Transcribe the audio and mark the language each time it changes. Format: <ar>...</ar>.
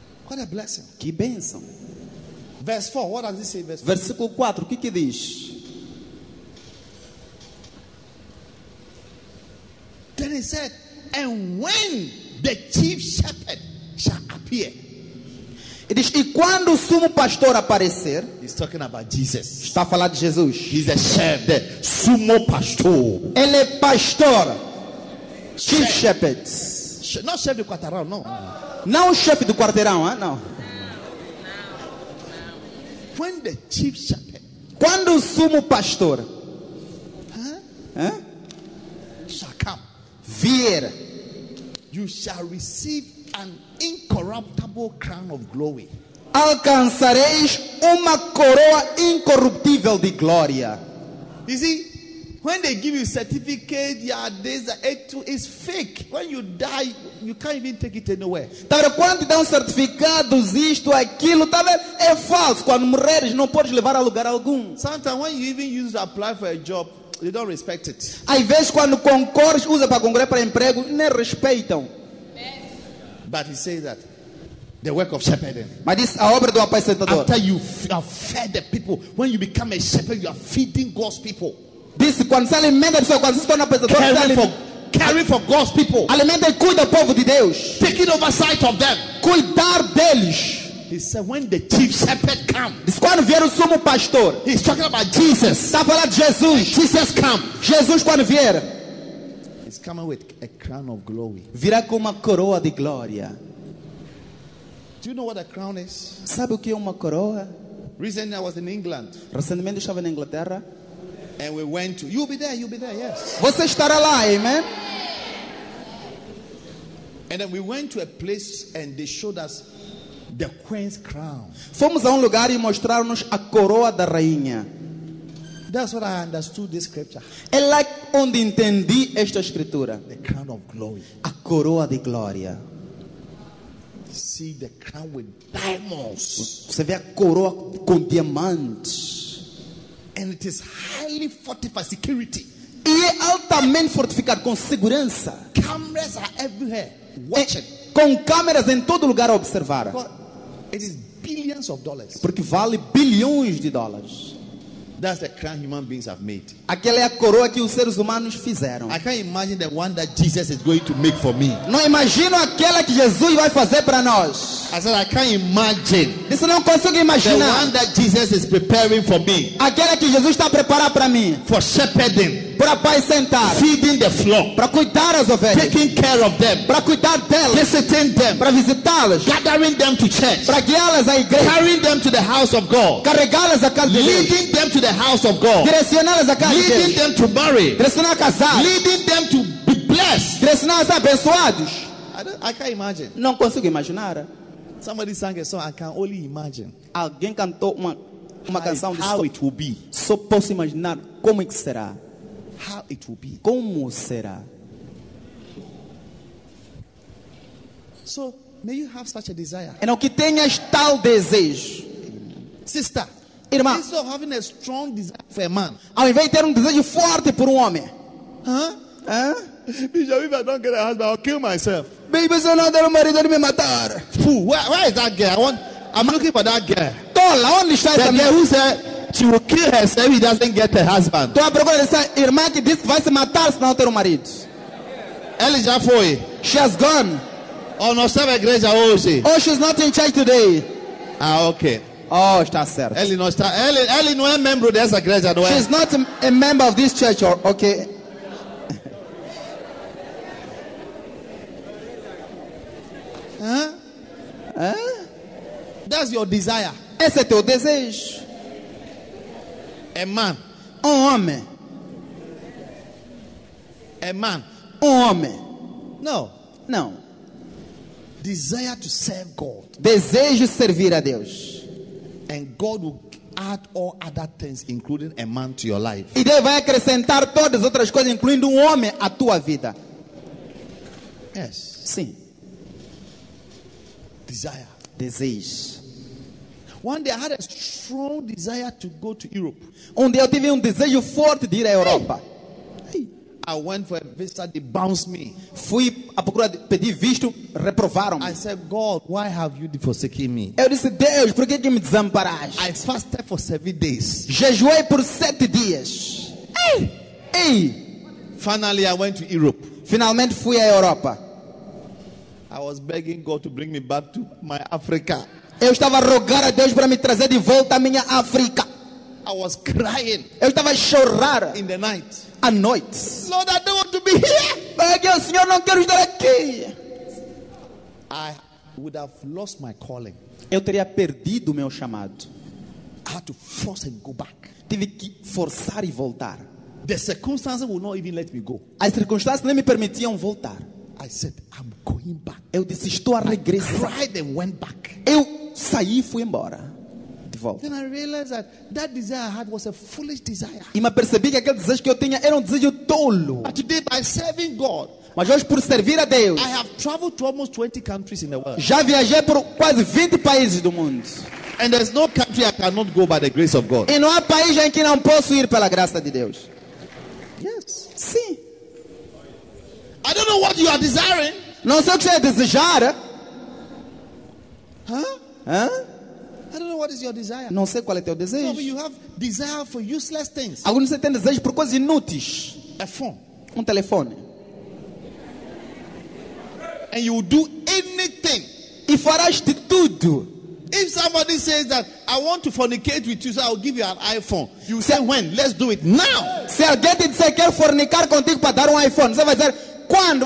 <en>What a blessing.</en> <pt>Que bênção.</pt> <en>Verse 4. What does it say? Verse 4?</en> <pt>Versículo 4. O que diz?</pt> <en>Then he said, and when the chief shepherd shall appear.</en> <pt>E diz, e quando o sumo pastor aparecer.</pt> <en>He's talking about Jesus.</en> <pt>Está a falar de Jesus.</pt> <en>He's a shepherd,</en> <pt>sumo pastor. Ele é pastor.</pt> <en>Chief shepherd.</en> <pt>Não chefe do quarteirão, não. Não chefe do quarteirão, não.</pt> <en>When the chief shepherd.</en> <pt>Quando o sumo pastor. Vier,</pt> <en>you shall receive an incorruptible crown of glory.</en> <pt>Alcançareis uma coroa incorruptível de glória.</pt> <en>You see, when they give you certificate, yeah, this is fake. When you die, you can't even take it anywhere.</en> <pt>Tá, quando dão certificados, isto, aquilo, tá vendo? É falso. Quando morreres, não podes levar a lugar algum.</pt> <en>Sometimes when you even use to apply for a job. They don't respect it.</en> <pt>Às vezes quando concorres, usa para concorrer para emprego, nem respeitam.</pt> <en>But he says that the work of shepherding.</en> <pt>Mas diz a obra do apacentador.</pt> <en>After you have fed the people, when you become a shepherd, you are feeding God's people.</en> <pt>Diz quando se alimenta, quando se torna apacentador,</pt> <en>caring for God's people.</en> <pt>Alimenta e cuida o povo de Deus.</pt> <en>Taking oversight of them.</en> <pt>Cuidar deles.</pt> <en>He said, when the chief shepherd comes,</en> <pt>quando vier o sumo pastor,</pt> <en>he's talking about Jesus.</en> <pt>Está falando de Jesus.</pt> <en>Jesus come.</en> <pt>Jesus quando vier.</pt> <en>He's coming with a crown of glory.</en> <pt>Virá com uma coroa de glória.</pt> <en>Do you know what a crown is?</en> <pt>Sabe o que é uma coroa?</pt> <en>Recently I was in England.</en> <pt>Recentemente estava na Inglaterra.</pt> <en>And we went to. You'll be there. You'll be there. Yes.</en> <pt>Você estará lá, amen.</pt> <en>And then we went to a place and they showed us the queen's crown.</en> <pt>Fomos a lugar e mostraram-nos a coroa da rainha.</pt> <en>That's what I understood this scripture.</en> <pt>É lá onde entendi esta escritura.</pt> <en>The crown of glory.</en> <pt>A coroa de glória.</pt> <en>See the crown with diamonds.</en> <pt>Você vê a coroa com diamantes.</pt> <en>And it is highly fortified security.</en> <pt>E é altamente fortificado com segurança.</pt> <en>Cameras are everywhere. Watch it.</en> <pt>Com câmeras em todo lugar a observar.</pt> <en>It is billions of dollars.</en> <pt>Porque vale bilhões de dólares.</pt> <en>That's the crown human beings have made.</en> <pt>Aquela é a coroa que os seres humanos fizeram.</pt> <en>I can't imagine the one that Jesus is going to make for me.</en> <pt>Não imagino aquela que Jesus vai fazer para nós.</pt> <en>I said I can't imagine.</en> <pt>Isso não consigo imaginar.</pt> <en>The one that Jesus is preparing for me.</en> <pt>Aquela que Jesus está preparando para mim.</pt> <en>For shepherding.</en> <pt>Para apacentar.</pt> <en>Feeding the flock.</en> <pt>Para cuidar as ovelhas.</pt> <en>Taking care of them.</en> <pt>Para cuidar delas.</pt> <en>Visiting them.</en> <pt>Para visitá-las.</pt> <en>Gathering them to church.</en> <pt>Para guiá-las à igreja.</pt> <en>Carrying them to the house of God.</en> <pt>Carregá-las à casa de Deus.</pt> <en>Leading them to the house of God.</en> <pt>Direcioná-las à casa de Deus.</pt> <en>Leading them to marry.</en> <pt>Direcioná-las a casar.</pt> <en>Leading them to be blessed.</en> <pt>Direcioná-las a abençoados.</pt> <en>I can't imagine.</en> <pt>Não consigo imaginar.</pt> <en>Somebody sang a song, I can only imagine.</en> <pt>Alguém cantou uma canção de</pt> <en>how it will be.</en> <pt>Só posso imaginar como é que será.</pt> <en>How it will be.</en> <pt>Como será?</pt> <en>So, may you have such a desire.</en> <pt>E não que tenhas tal desejo.</pt> <en>Sister.</en> <pt>Irmã.</pt> <en>Instead of having a strong desire for a man.</en> <pt>Ao invés de ter desejo forte por homem. Hã? Huh?</pt> <en>Hã? If I don't get a husband, I'll kill myself.</en> <pt>Baby, se eu não der marido, ele me matar.</pt> <en>Where is that girl? I'm looking for that girl.</en> <pt>Tola, onde está essa</pt> <en>girl who said she will kill herself if he doesn't get a husband.</en> <pt>Tô à procura dessa irmã que disse que vai se matar se não ter marido. Ela já foi.</pt> <en>She has gone.</en> <pt>Oh, não estava na igreja hoje.</pt> <en>Oh, she's not in church today. Ah, ok.</en> <pt>Oh, está certo. Ela não está. Ela não é membro dessa igreja, não é?</pt> <en>She's not a member of this church, or, okay? That's your desire.</en> <pt>Esse é teu desejo.</pt> <en>A man.</en> <pt>Homem.</pt> <en>A man.</en> <pt>Homem.</pt> <en>No. Desire to serve God.</en> <pt>Desejo servir a Deus.</pt> <en>And God will add all other things, including a man, to your life.</en> <pt>E Deus vai acrescentar todas as outras coisas, incluindo homem, à tua vida.</pt> <en>Yes.</en> <pt>Sim.</pt> <en>Desire.</en> <pt>Desejo.</pt> <en>One day I had a strong desire to go to Europe.</en> <pt>Um dia eu tive desejo forte de ir à Europa. Hey.</pt> <en>I went for a visa, they bounced me.</en> <pt>Fui à procura de pedir visto, reprovaram.</pt> <en>I said, God, why have you forsaken me?</en> <pt>Eu disse, Deus, por que que me desamparaste?</pt> <en>I fasted for 7 days.</en> <pt>Jejuei por 7 dias.</pt> <en>Hey. Finally, I went to Europe.</en> <pt>Finalmente fui à Europa.</pt> <en>I was begging God to bring me back to my Africa.</en> <pt>Eu estava a rogar a Deus para me trazer de volta à minha África.</pt> <en>I was crying.</en> <pt>Eu estava a chorar.</pt> <en>In the night.</en> <pt>À noite.</pt> <en>Lord, I don't want to be here.</en> <pt>Porque o Senhor não quer estar aqui.</pt> <en>I would have lost my calling.</en> <pt>Eu teria perdido o meu chamado.</pt> <en>I had to force and go back.</en> <pt>Tive que forçar e voltar.</pt> <en>The circumstances would not even let me go.</en> <pt>As circunstâncias nem me permitiam voltar.</pt> <en>I said, I'm going back.</en> <pt>Eu disse, estou a regressar.</pt> <en>I cried and went back.</en> <pt>Eu saí e fui embora. De volta.</pt> <en>Then I realized that that desire I had was a foolish desire.</en> <pt>E me percebi que aquele desejo que eu tinha era desejo tolo.</pt> <en>But today, by serving God,</en> <pt>mas hoje por servir a Deus,</pt> <en>I have traveled to almost 20 countries in the world.</en> <pt>Já viajei por quase 20 países do mundo.</pt> <en>And there's no country I cannot go by the grace of God.</en> <pt>E não há país em que não posso ir pela graça de Deus.</pt> <en>Yes.</en> <pt>Sim.</pt> <en>I don't know what you are desiring.</en> <pt>Não sei o que você é desejar.</pt> <en>Huh? I don't know what is your desire.</en> <pt>Não sei qual é teu desejo.</pt> <en>Some of you have desire for useless things.</en> <pt>Alguns você tem desejo por coisas inúteis.</pt> <en>A phone.</en> <pt>Telefone.</pt> <en>And you will do anything.</en> <pt>E farás de tudo.</pt> <en>If somebody says that I want to fornicate with you, so I'll give you an iPhone. You say when? Let's do it now.</en> <pt>Se alguém te disser quer fornicar contigo para dar iPhone, você vai dizer quando?</pt>